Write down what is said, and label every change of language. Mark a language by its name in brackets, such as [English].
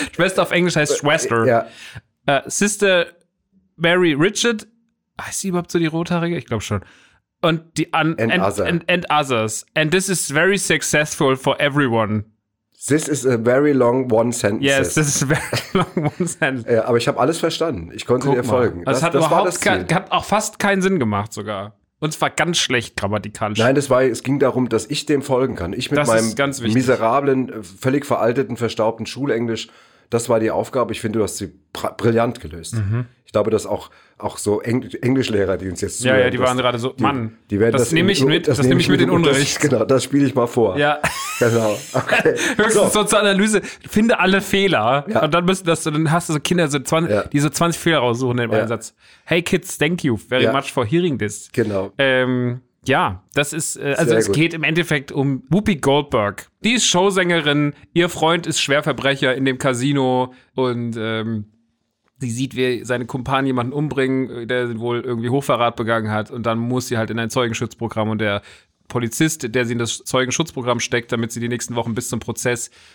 [German] Schwester auf Englisch heißt Schwester. Ja. Sister Mary Richard. Heißt sie überhaupt so die Rothaarige? Ich glaube schon. Und die [English] and others. And this is very successful for everyone. This is a very long one sentence. Yes, this is a very long one sentence. [German] Ja, aber ich habe alles verstanden. Ich konnte dir folgen. Das hat überhaupt das Ziel. Hat auch fast keinen Sinn gemacht sogar. Und es war ganz schlecht grammatikalisch. Nein, es ging darum, dass ich dem folgen kann. Ich mit das meinem miserablen, völlig veralteten, verstaubten Schulenglisch. Das war die Aufgabe. Ich finde, du hast sie brillant gelöst. Mhm. Ich glaube, dass auch so Englischlehrer, die uns jetzt zuhören. Ja, die waren gerade so, Mann, die werden das nehme ich mit, das nehme ich mit in den Unterricht. Genau, das spiele ich mal vor. Ja. Genau. Okay. Höchstens so zur Analyse, finde alle Fehler. Ja. Und dann hast du so Kinder, so 20, ja. die so 20 Fehler raussuchen im Einsatz. [English] Hey kids, thank you very much for hearing this. [German] Genau. Ja, das ist, also sehr es gut. geht im Endeffekt um Whoopi Goldberg. Die ist Showsängerin, ihr Freund ist Schwerverbrecher in dem Casino und sie sieht, wie seine Kumpanen jemanden umbringen, der wohl irgendwie Hochverrat begangen hat und dann muss sie halt in ein Zeugenschutzprogramm und der Polizist, der sie in das Zeugenschutzprogramm steckt, damit sie die nächsten Wochen bis zum Prozess